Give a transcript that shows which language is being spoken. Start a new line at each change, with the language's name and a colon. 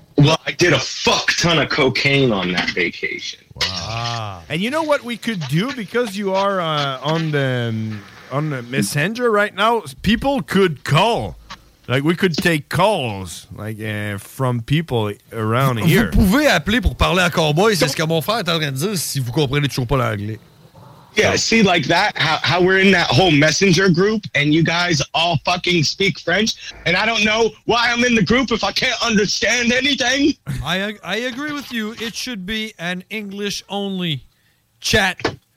English: Well, I did a fuck ton of cocaine on that vacation. Wow. And you know what we could do? Because you are on the Messenger right now, people could call. Like, we could take calls, like, from people around
French: vous
English: here.
French: Vous pouvez appeler pour parler à Cowboy, c'est ce que mon frère est en train de dire, si vous comprenez toujours pas l'anglais.
English: Yeah, see, like that, how we're in that whole Messenger group, and you guys all fucking speak French, and I don't know why I'm in the group if I can't understand anything. I agree with you. It should be an English-only chat.